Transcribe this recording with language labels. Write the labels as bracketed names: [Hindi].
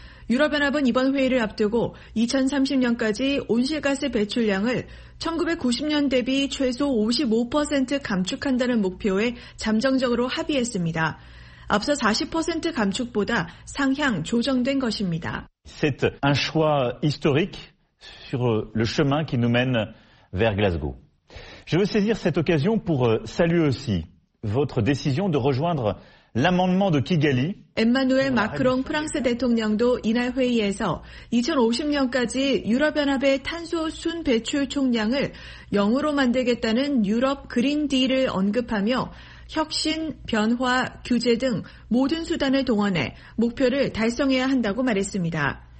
[Korean] 유럽연합은 이번 회의를 앞두고 2030년까지 온실가스 배출량을 1990년 대비 최소 55% 감축한다는 목표에 잠정적으로 합의했습니다. 앞서 40% 감축보다 상향 조정된 것입니다. [French] C'est un choix historique sur le chemin qui nous mène vers Glasgow. Je veux saisir cette occasion pour saluer aussi votre décision de rejoindre l'amendement de Kigali. [Korean] 엠마누엘 마크롱 프랑스 대통령도 이날 회의에서 2050년까지 유럽연합의 탄소 순 배출 총량을 0으로 만들겠다는 유럽 그린 딜을 언급하며 혁신, 변화, 규제 등 모든 수단을 동원해 목표를 달성해야 한다고 말했습니다.